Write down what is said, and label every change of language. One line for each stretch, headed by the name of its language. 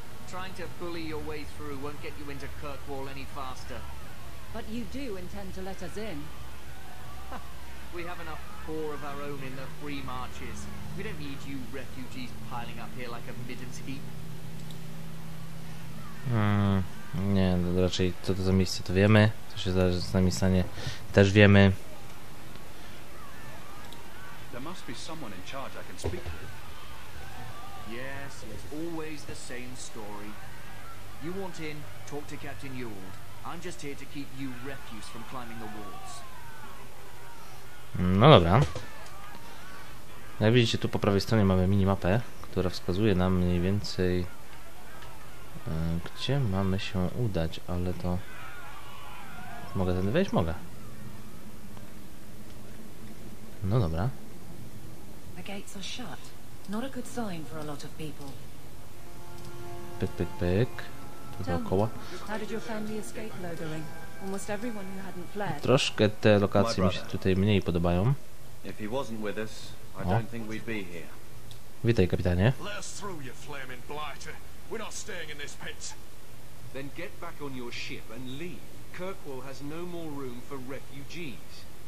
English: Trying to bully your way through won't get you into Kirkwall any faster. But you do intend to let us in. We have enough core of our own in the free marches. We don't need you refugees piling up here like a midden's heap.
Polish: Nie, no raczej co to za miejsce, to wiemy. Co się zdarzy z nami stanie, też wiemy.
English: Be someone in charge I can speak to. Yes, it's always the same story. You want in, talk to Captain Yuld. I'm just here to keep you refuse from climbing the walls.
Polish: No dobra. Jak widzicie, tu po prawej stronie mamy minimapę, która wskazuje nam mniej więcej, gdzie mamy się udać, ale to... Mogę ten wejść? Mogę. No dobra.
English: Gates are shut. Not a good sign for a lot of people.
Polish: Pyk, pyk, pyk. Dookoła.
English: How did your family escape Lothering? Almost everyone who hadn't fled.
Polish: Troszkę te lokacje mi się tutaj mniej podobają.
English: If he wasn't with us, I don't think we'd be here.
Polish: Witaj, kapitanie.
English: Let us through, you flaming blighter. We're not staying in this pit. Then get back on your ship and leave. Kirkwall has no more room for refugees.